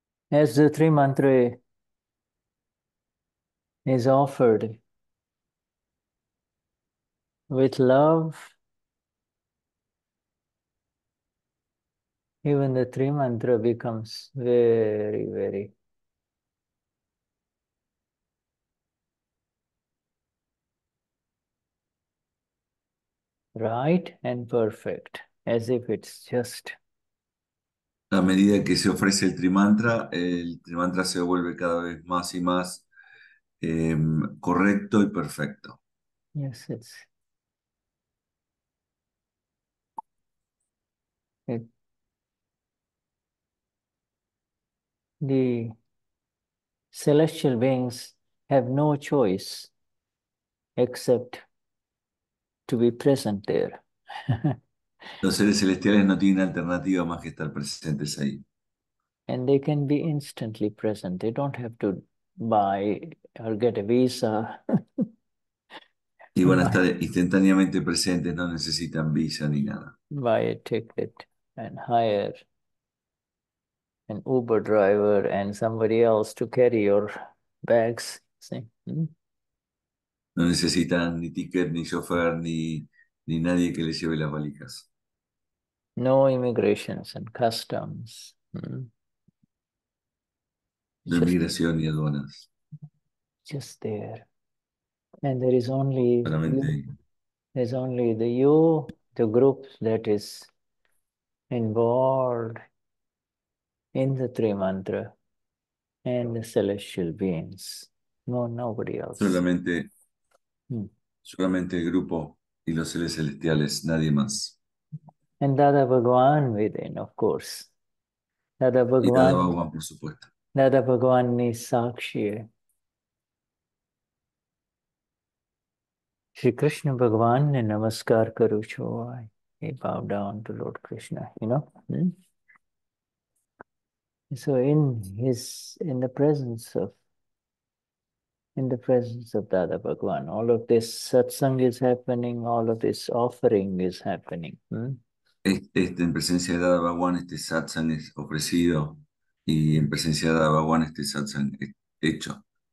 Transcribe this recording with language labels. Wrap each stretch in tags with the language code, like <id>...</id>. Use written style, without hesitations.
<en>As the three mantra is offered with love, even the three mantra becomes very, very right and perfect, as if it's just.</en> <es>A medida que se ofrece el trimantra se vuelve cada vez más y más correcto y perfecto.</es> <en>Yes, it's. The celestial beings have no choice except to be present there.</en> <es>Los seres celestiales no tienen alternativa más que estar presentes ahí.</es> <en>And they can be instantly present. They don't have to buy or get a visa.</en> <es>Y van a estar instantáneamente presentes, no necesitan visa ni nada.</es> <en>Buy a ticket and hire an Uber driver and somebody else to carry your bags. See?</en> <es>No necesitan ni ticket, ni chofer, ni nadie que les lleve las valijas.</es> <en>No immigrations and customs.</en> <es>No inmigración ni aduanas.</es> <en>Just there. And there is only</en> <es>solamente.</es> <en>There's only the you, the group that is involved in the three mantra, and the celestial beings. No, nobody else.</en> <es>Solamente. Solamente el grupo y los seres celestiales, nadie más.</es> <en>And Dada Bhagwan within, of course. Dada Bhagwan,</en> <es>y Dada Bhagwan, por supuesto.</es> <en>Dada Bhagwan is Sakshi.</en> <gu>Sri Krishna Bhagwan ne namaskar karu cho.</gu> <en>He bow down to Lord Krishna, you know. So in the presence of Dada Bhagwan, all of this satsang is happening, all of this offering is happening.</en> <es>En presencia de Dada Bhagwan, este satsang es ofrecido, y en presencia de Dada Bhagwan, este satsang es hecho.</es>